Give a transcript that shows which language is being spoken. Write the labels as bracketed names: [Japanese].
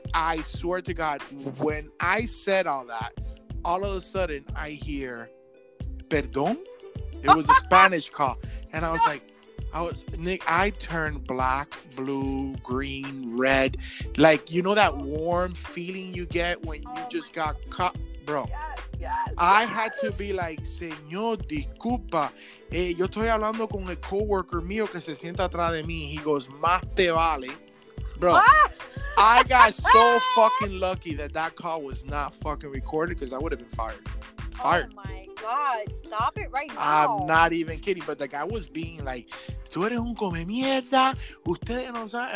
[English] I swear to God, when I said all that, all of a sudden I hear, perdón? It was a Spanish call. And I was like, I turned black, blue, green, red. Like, you know that warm feeling you get when you just got caught? Bro, yes. Had to be like, [Spanish] señor, disculpa, yo estoy hablando con el coworker mío que se sienta atrás de mí. [English] He goes, [Spanish] más te vale. [English] Bro, I got so fucking lucky that call was not fucking recorded, because I would have been fired. Oh, heart. Oh my God, stop it right now. I'm not even kidding. But the guy was being like, [Spanish] tú eres un come mierda. Ustedes no saben.